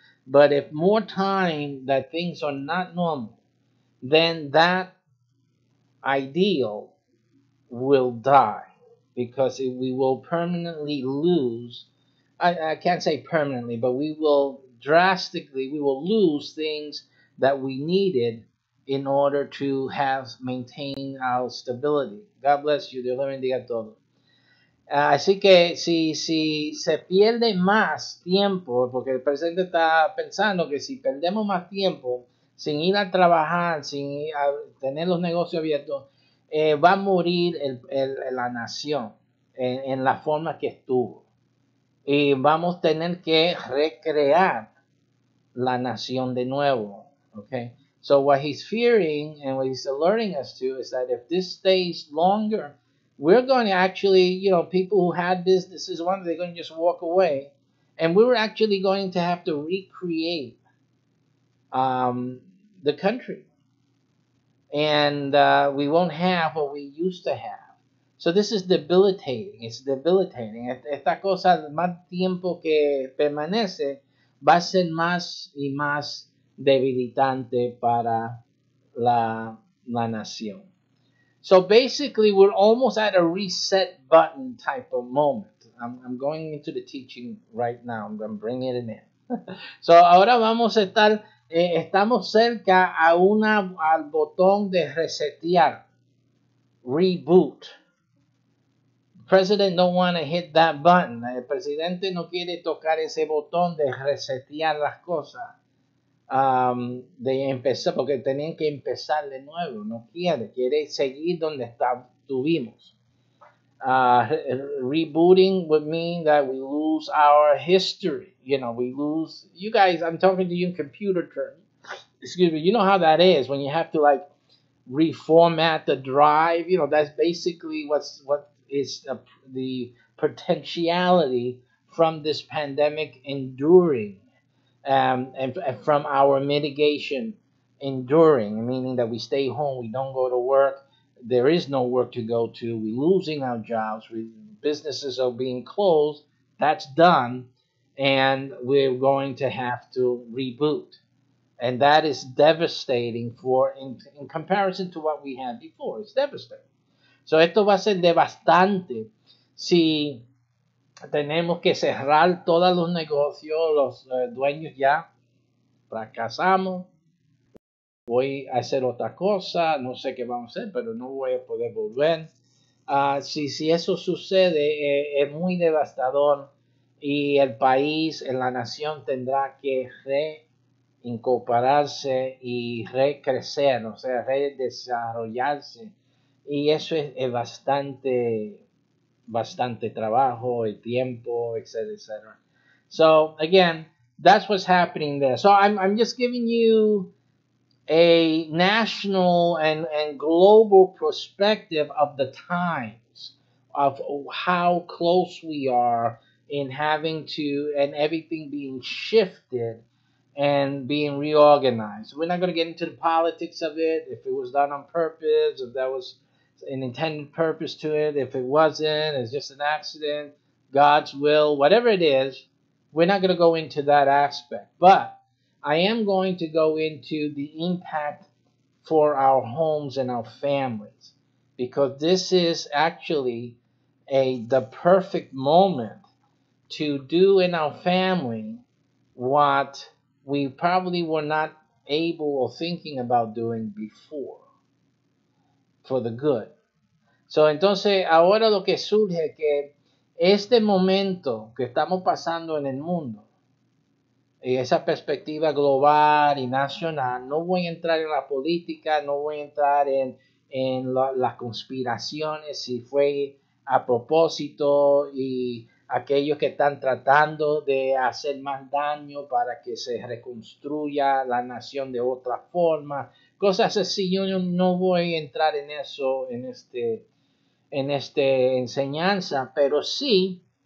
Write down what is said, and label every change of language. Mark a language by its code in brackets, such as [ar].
[en] But if more time that things are not normal, then that ideal will die, because we will permanently lose, I can't say permanently, but we will drastically, we will lose things that we needed in order to have maintain our stability. God bless you. [es] Dios le bendiga a todos. Así que si se pierde más tiempo, porque el presidente está pensando que si perdemos más tiempo, sin ir a trabajar, sin a tener los negocios abiertos, va a morir la nación en la forma que estuvo. Y vamos a tener que recrear la nación de nuevo. [en] Okay? So what he's fearing and what he's alerting us to is that if this stays longer, we're going to actually, you know, people who had businesses, one, they're going to just walk away. And we were actually going to have to recreate the country, and we won't have what we used to have. So this is debilitating. It's debilitating. [es] Esta cosa, más tiempo que permanece, va a ser más y más debilitante para la nación. [en] So basically, we're almost at a reset button type of moment. I'm going into the teaching right now. I'm bringing it in. [es] So ahora vamos a estar, estamos cerca a al botón de resetear, reboot. [en] President don't want to hit that button. [es] El presidente no quiere tocar ese botón de resetear las cosas. De empezar, porque tenían que empezar de nuevo. No quiere, quiere seguir donde estuvimos. [en] Rebooting would mean that we lose our history. You know, we lose, you guys, I'm talking to you in computer terms. Excuse me, you know how that is when you have to like reformat the drive. You know, that's basically what is the potentiality from this pandemic enduring, and from our mitigation enduring, meaning that we stay home, we don't go to work. There is no work to go to. We're losing our jobs. Businesses are being closed. That's done. And we're going to have to reboot. And that is devastating in comparison to what we had before. It's devastating. [es] So esto va a ser devastante si tenemos que cerrar todos los negocios, los dueños ya fracasamos. voy a hacer otra cosa, no sé qué vamos a hacer, pero no voy a poder volver. Si eso sucede, es muy devastador y el país, la nación tendrá que reincorporarse y recrecer, o sea, redesarrollarse. Y eso es bastante, bastante trabajo, el tiempo, etc., etc. [en] So, again, that's what's happening there. So, I'm just giving you a national and global perspective of the times, of how close we are in having to, and everything being shifted and being reorganized. We're not going to get into the politics of it, if it was done on purpose, if that was an intended purpose to it, if it wasn't, it's just an accident, God's will, whatever it is, we're not going to go into that aspect. But I am going to go into the impact for our homes and our families, because this is actually the perfect moment to do in our family what we probably were not able or thinking about doing before, for the good. [es] So, entonces, ahora lo que surge es que este momento que estamos pasando en el mundo, esa perspectiva global y nacional, no voy a entrar en la política, no voy a entrar en las conspiraciones, si fue a propósito y aquellos que están tratando de hacer más daño para que se reconstruya la nación de otra forma, cosas así, yo no voy a entrar en eso, en este enseñanza, pero sí